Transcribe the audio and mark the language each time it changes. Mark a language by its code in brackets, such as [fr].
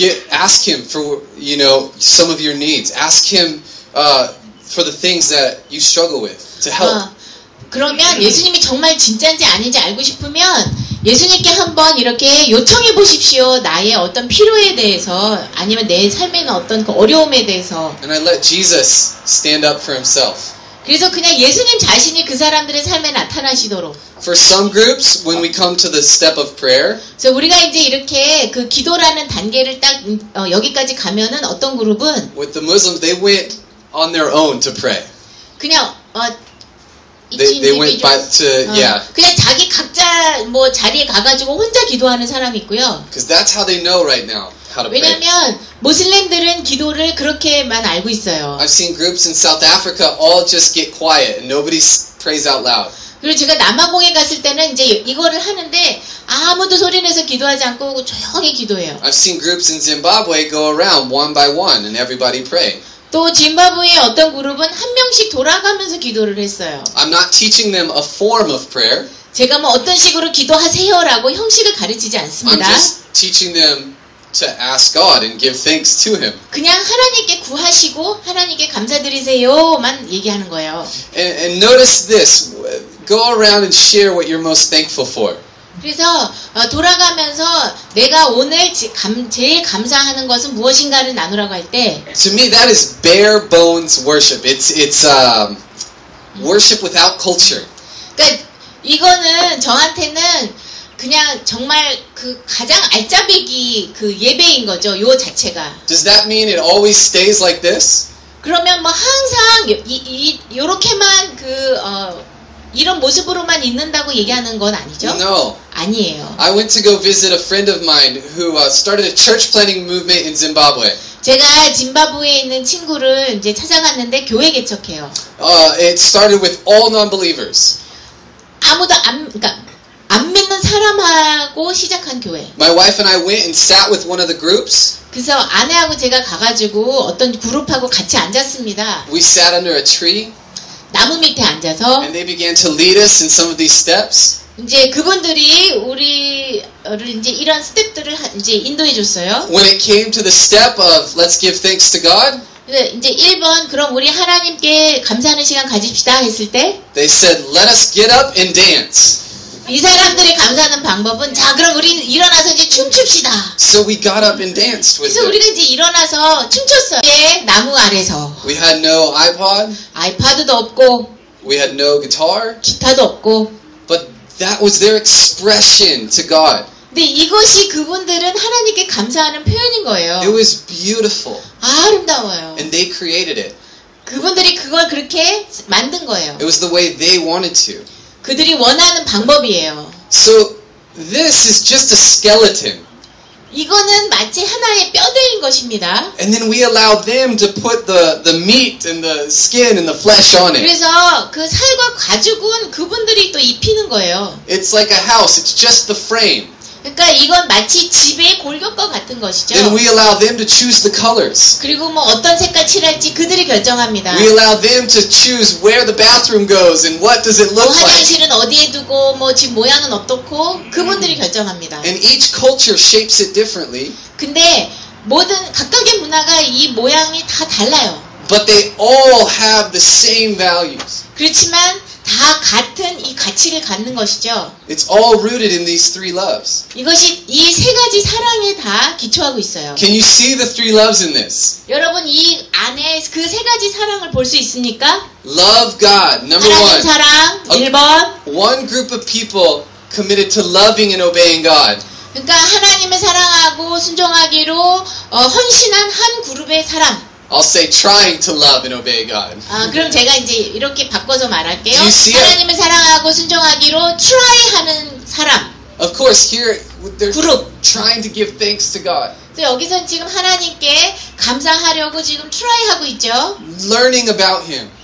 [en] ask him for you know some of your needs ask him for the things that you struggle with to help [ko] 그러면 예수님이 정말 진짜인지 아닌지 알고 싶으면 예수님께 한번 이렇게 요청해 보십시오. 나의 어떤 필요에 대해서 아니면 내 삶에 있는 어떤 그 어려움에 대해서 [en] And I let Jesus stand up for himself. [ko] 그래서 그냥 예수님 자신이 그 사람들의 삶에 나타나시도록 [en] For some groups, when we come to the step of prayer [ko] 그래서 우리가 이제 이렇게 그 기도라는 단계를 딱 여기까지 가면은 어떤 그룹은 [en] With the Muslims, they went on their own to pray. [ko] 그냥 [en] They went back to yeah. [ko] 그냥 자기 각자 뭐 자리에 가가지고 혼자 기도하는 사람이 있고요. [en] Because that's how they know right now how to pray. [ko] 왜냐하면 무슬림들은 기도를 그렇게만 알고 있어요. [en] I've seen groups in South Africa all just get quiet and nobody prays out loud. [ko] 그리고 제가 남아공에 갔을 때는 이제 이거를 하는데 아무도 소리 내서 기도하지 않고 조용히 기도해요. [en] I've seen groups in Zimbabwe go around one by one and everybody pray. [ko] 또 짐바브웨의 어떤 그룹은 한 명씩 돌아가면서 기도를 했어요. [en] I'm not teaching them a form of prayer. [ko] 제가 뭐 어떤 식으로 기도하세요라고 형식을 가르치지 않습니다. [en] I'm just teaching them to ask God and give thanks to him. [ko] 그냥 하나님께 구하시고 하나님께 감사드리세요만 얘기하는 거예요. [en] And notice this. Go around and share what you're most thankful for. [ko] 그래서 돌아가면서 내가 오늘 제일 감사하는 것은 무엇인가를 나누라고 할 때 [en] To me that is bare bones worship. It's worship without culture. [ko] 그러니까 이거는 저한테는 그냥 정말 그 가장 알짜배기 그 예배인 거죠. 요 자체가. [en] Does that mean it always stays like this? [ko] 그러면 뭐 항상 이 요렇게만 그 이런 모습으로만 있는다고 얘기하는 건 아니죠? [en] No. [ko] 아니에요. [en] I went to go visit a friend of mine who started a church planting movement in Zimbabwe. [ko] 제가 짐바브웨에 있는 친구를 이제 찾아갔는데 교회 개척해요. [en] It started with all non-believers. [ko] 아무도 안 믿는 사람하고 시작한 교회. [en] My wife and I went and sat with one of the groups. [ko] 그래서 아내하고 제가 가가지고 어떤 그룹하고 같이 앉았습니다. [en] We sat under a tree. [ko] 나무 밑에 앉아서 [en] And they began to lead us in some of these steps. [ko] 이제 그분들이 우리를 이제 이런 스텝들을 이제 인도해 줬어요. [en] When it came to the step of let's give thanks to God. [ko] 이제 1번 그럼 우리 하나님께 감사하는 시간 가집시다 했을 때 [en] They said let us get up and dance. [ko] 이 사람들이 감사하는 방법은 자 그럼 우리 일어나서 이제 춤춥시다. [en] So we got up and danced with them. [ko] 그래서 우리가 이제 일어나서 춤췄어요. 예, 나무 아래서. [en] We had no iPod. [ko] 아이팟도 없고. [en] We had no guitar. [ko] 기타도 없고. [en] But that was their expression to God. [ko] 근데 이것이 그분들은 하나님께 감사하는 표현인 거예요. [en] It was beautiful. [ko] 아름다워요. [en] And they created it. [ko] 그분들이 그걸 그렇게 만든 거예요. [en] It was the way they wanted to. [ko] 그들이 원하는 방법이에요. [en] So this is just a skeleton. [ko] 이거는 마치 하나의 뼈대인 것입니다. [en] And then we allow them to put the meat and the skin and the flesh on it. [ko] 그래서 그 살과 가죽은 그분들이 또 입히는 거예요. [en] It's like a house. It's just the frame. [ko] 그러니까 이건 마치 집의 골격과 같은 것이죠. [en] Then we allow them to choose the colors. [ko] 그리고 뭐 어떤 색깔 칠할지 그들이 결정합니다. [en] We allow them to choose where the bathroom goes and what does it look like. [ko] 화장실은 어디에 두고 뭐 집 모양은 어떻고 그분들이 결정합니다. [en] And each culture shapes it differently. [ko] 근데 모든 각각의 문화가 이 모양이 다 달라요. [en] But they all have the same values. [ko] 그렇지만 다 같은 이 가치를 갖는 것이죠. [en] It's all rooted in these three loves. [ko] 이것이 이 세 가지 사랑에 다 기초하고 있어요. [en] Can you see the three loves in this? [ko] 여러분 이 안에 그 세 가지 사랑을 볼 수 있습니까? [en] Love God, number one. [ko] 하나님 사랑, 1번. [en] One group of people committed to loving and obeying God. [ko] 그러니까 하나님을 사랑하고 순종하기로 헌신한 한 그룹의 사람. [en] I'll say trying to love and obey God. [ko] 아, 그럼 제가 이제 이렇게 바꿔서 말할게요. 하나님을 사랑하고 순종하기로 try 하는 사람. [en] Of course, here they're trying to give thanks to God. [ko] 여기서 지금 하나님께 감사하려고 지금 try 하고 있죠. [en] Learning about Him.